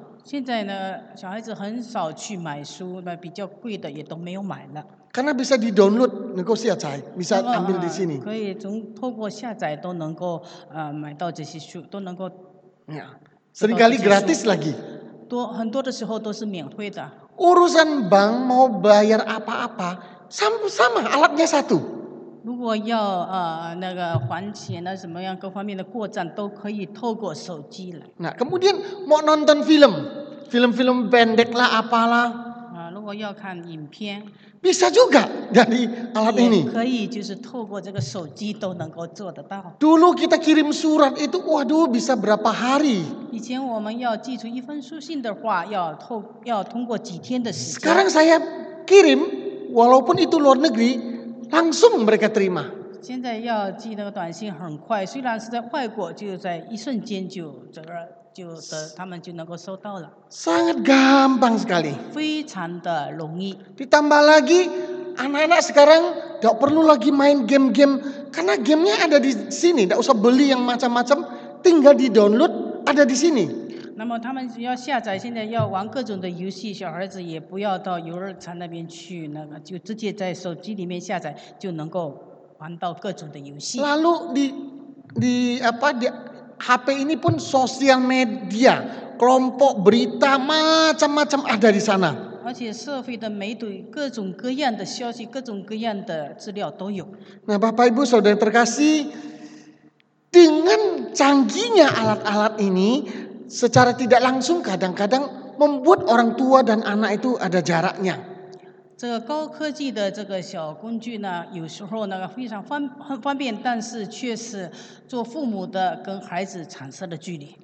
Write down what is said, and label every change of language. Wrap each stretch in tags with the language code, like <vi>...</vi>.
<zh>现在呢，小孩子很少去买书，那比较贵的也都没有买了。</zh> <id>Karena bisa di download,</id> <zh>能够下载，</zh> <id>bisa ambil di sini.</id> <zh>可以从透过下载都能够买到这些书，都能够。</zh> <id>Seringkali gratis lagi.</id> <zh>很多的时候都是免费的。</zh> <id>Urusan bank mau bayar apa-apa, sama alatnya satu.</id> <zh>如果要那个还钱啊，什么样各方面的过账都可以透过手机了。</zh> <id>Nah, kemudian mau nonton film pendek lah, apalah.</id> <zh>如果要看影片。</zh> <id>Bisa juga dari alat ini.</id> <zh>可以就是透过这个手机都能够做得到。</zh> <id>Dulu kita kirim surat itu, waduh, bisa berapa hari.</id> <zh>以前我们要寄出一封书信的话，要通过几天的时间。</zh> <id>Sekarang saya kirim, walaupun itu luar negeri, langsung mereka terima.</id> <zh>现在要寄那个短信很快，虽然是在外国，就在一瞬间就这个就得他们就能够收到了。</zh> <id>Sangat gampang sekali.</id> <zh>非常的容易。</zh> <id>Ditambah lagi, anak-anak sekarang tidak perlu lagi main game-game, karena gamenya ada di sini, tidak usah beli yang macam-macam, tinggal di download ada di sini.</id> <zh>那么他们要下载，现在要玩各种的游戏，小孩子也不要到游乐场那边去，那个就直接在手机里面下载就能够玩到各种的游戏。</zh> <id>Lalu di apa di HP ini pun sosial media, kelompok berita macam-macam ada di sana.</id> <zh>而且社会的媒体各种各样的消息、各种各样的资料都有。</zh> <id>Nah, Bapak Ibu Saudara terkasih, dengan canggihnya alat-alat ini, secara tidak langsung kadang-kadang membuat orang tua dan anak itu ada jaraknya.</id> <zh>这个高科技的这个小工具呢，有时候那个非常很方便，但是却是做父母的跟孩子产生的距离。</zh>